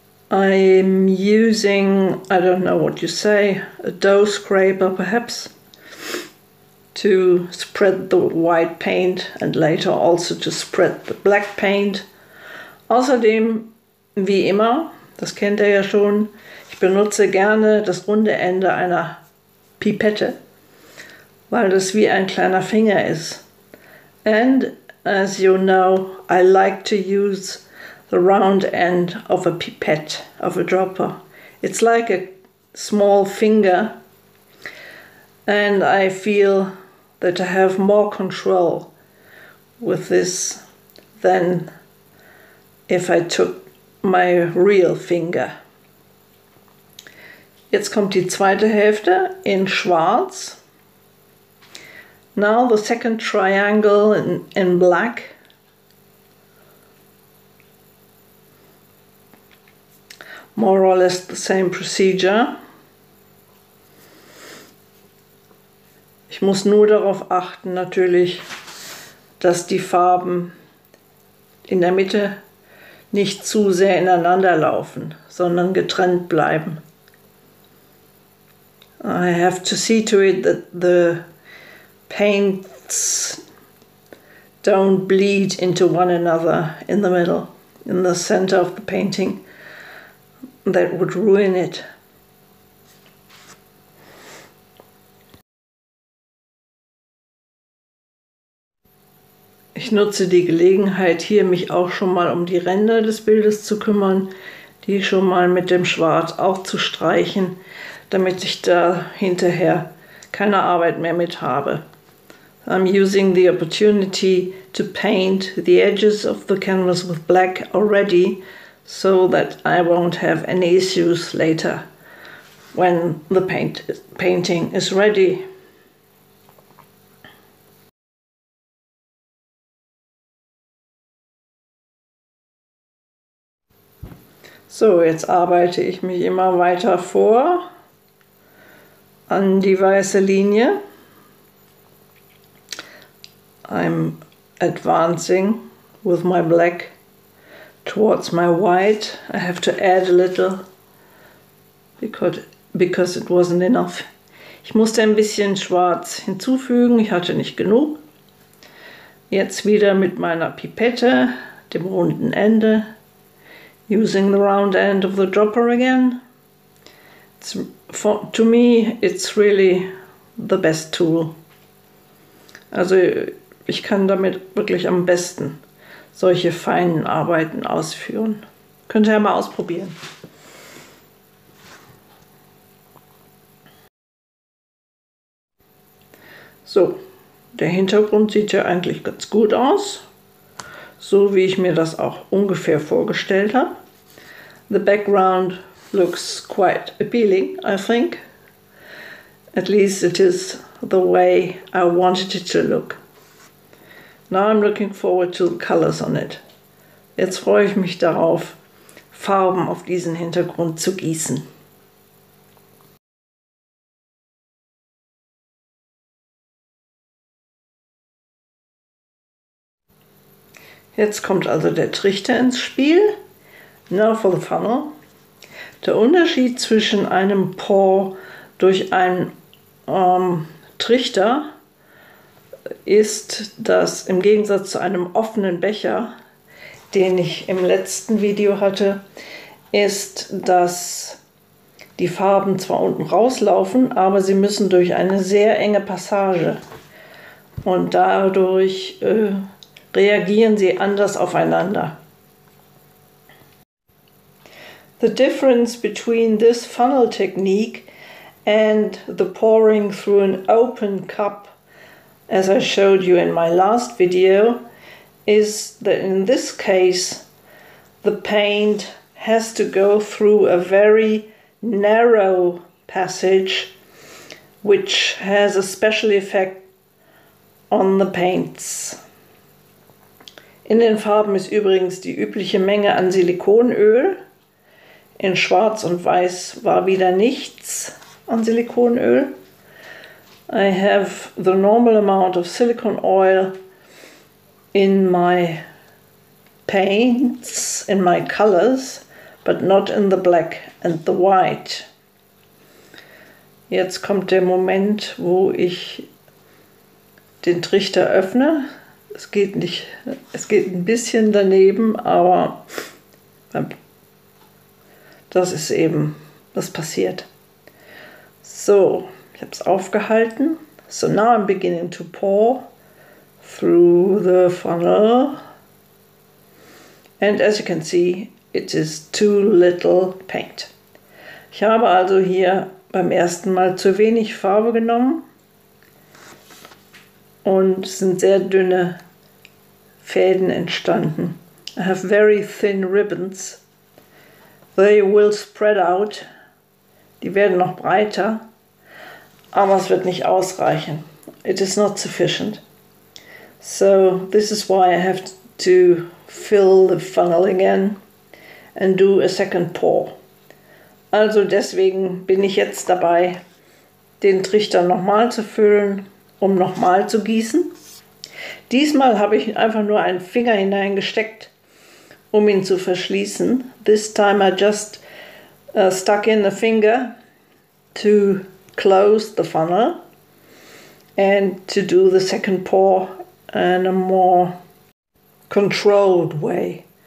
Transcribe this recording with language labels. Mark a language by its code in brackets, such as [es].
[en] I'm using, I don't know what you say, a dough scraper perhaps, to spread the white paint and later also to spread the black paint. [de] Außerdem, wie immer, das kennt ihr ja schon, ich benutze gerne das runde Ende einer Pipette, weil das wie ein kleiner Finger ist. [en] And as you know, I like to use the round end of a pipette, of a dropper. It's like a small finger and I feel that I have more control with this than if I took my real finger. [de] Jetzt kommt die zweite Hälfte in schwarz. [en] Now the second triangle in black. More or less the same procedure. [de] Ich muss nur darauf achten, natürlich, dass die Farben in der Mitte nicht zu sehr ineinander laufen, sondern getrennt bleiben. [en] I have to see to it that the paints don't bleed into one another in the middle, in the center of the painting. That would ruin it. [de] Ich nutze die Gelegenheit, hier mich auch schon mal um die Ränder des Bildes zu kümmern, die schon mal mit dem Schwarz auch zu streichen, damit ich da hinterher keine Arbeit mehr mit habe. [en] I'm using the opportunity to paint the edges of the canvas with black already, so that I won't have any issues later when the painting is ready. [de] So, jetzt arbeite ich mich immer weiter vor an die weiße Linie. [en] I'm advancing with my black towards my white. I have to add a little because it wasn't enough. [de] Ich musste ein bisschen Schwarz hinzufügen, ich hatte nicht genug. Jetzt wieder mit meiner Pipette, dem runden Ende. [en] Using the round end of the dropper again. To me, it's really the best tool. [de] Also, ich kann damit wirklich am besten solche feinen Arbeiten ausführen. Könnt ihr ja mal ausprobieren. So, der Hintergrund sieht ja eigentlich ganz gut aus. So wie ich mir das auch ungefähr vorgestellt habe. [en] The background looks quite appealing, I think. At least it is the way I wanted it to look. Now I'm looking forward to the colors on it. [de] Jetzt freue ich mich darauf, Farben auf diesen Hintergrund zu gießen. Jetzt kommt also der Trichter ins Spiel. [en] Now for the funnel. [de] Der Unterschied zwischen einem Pour durch einen Trichter ist, dass im Gegensatz zu einem offenen Becher, den ich im letzten Video hatte, ist, dass die Farben zwar unten rauslaufen, aber sie müssen durch eine sehr enge Passage und dadurch reagieren sie anders aufeinander. [en] The difference between this funnel technique and the pouring through an open cup, as I showed you in my last video, is that in this case, the paint has to go through a very narrow passage, which has a special effect on the paints. [de] In den Farben ist übrigens die übliche Menge an Silikonöl. In Schwarz und Weiß war wieder nichts an Silikonöl. [en] I have the normal amount of silicone oil in my paints, in my colors, but not in the black and the white. [de] Jetzt kommt der Moment, wo ich den Trichter öffne. Es geht ein bisschen daneben, aber das ist eben, was passiert. So, ich habe es aufgehalten. [en] So, now I'm beginning to pour through the funnel. And as you can see, it is too little paint. [de] Ich habe also hier beim ersten Mal zu wenig Farbe genommen. Und es sind sehr dünne Fäden entstanden. [en] I have very thin ribbons. They will spread out. [de] Die werden noch breiter, aber es wird nicht ausreichen. [en] It is not sufficient. So this is why I have to fill the funnel again and do a second pour. [de] Also deswegen bin ich jetzt dabei, den Trichter nochmal zu füllen, um nochmal zu gießen. Diesmal habe ich einfach nur einen Finger hineingesteckt, um ihn zu verschließen. [en] This time I just stuck in the finger to close the funnel and to do the second pour in a more controlled way.